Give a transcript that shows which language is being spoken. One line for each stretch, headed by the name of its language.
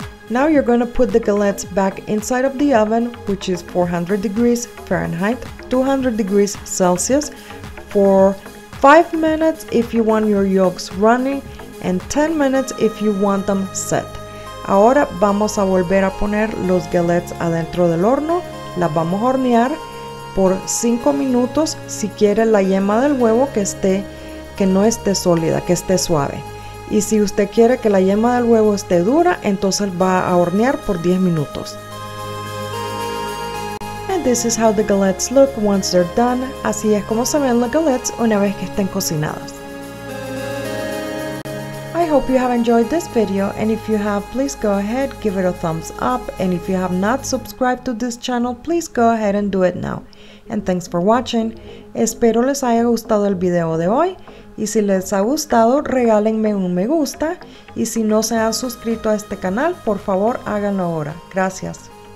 English: Now you're going to put the galettes back inside of the oven, which is 400 degrees Fahrenheit, 200 degrees Celsius, for 5 minutes if you want your yolks runny, and 10 minutes if you want them set.
Spanish: Ahora vamos a volver a poner los galettes adentro del horno, las vamos a hornear por 5 minutos si quiere la yema del huevo que no esté sólida, que esté suave. Y si usted quiere que la yema del huevo esté dura, entonces va a hornear por 10 minutos.
English: This is how the galettes look once they're done.
Spanish: Así es como se ven las galettes una vez que estén cocinadas.
English: I hope you have enjoyed this video, and if you have, please go ahead, give it a thumbs up, and if you have not subscribed to this channel, please go ahead and do it now. And thanks for watching.
Spanish: Espero les haya gustado el video de hoy, y si les ha gustado, regálenme un me gusta, y si no se han suscrito a este canal, por favor, háganlo ahora. Gracias.